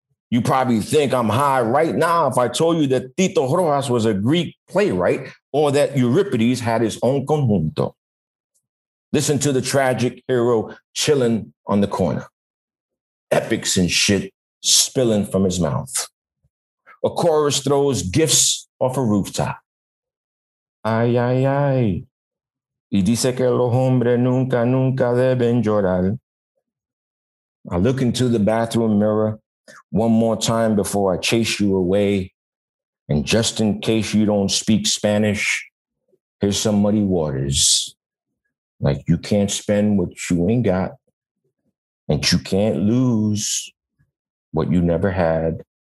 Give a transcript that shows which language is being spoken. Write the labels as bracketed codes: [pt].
[en] You probably think I'm high right now if I told you that Tito Rojas was a Greek playwright or that Euripides had his own conjunto. Listen to the tragic hero chilling on the corner. Epics and shit spilling from his mouth. A chorus throws gifts off a rooftop. Ay, ay, ay. [es] Y dice que los hombres nunca, nunca deben llorar. [en] I look into the bathroom mirror one more time before I chase you away. And just in case you don't speak Spanish, here's some muddy waters. Like you can't spend what you ain't got, and you can't lose what you never had.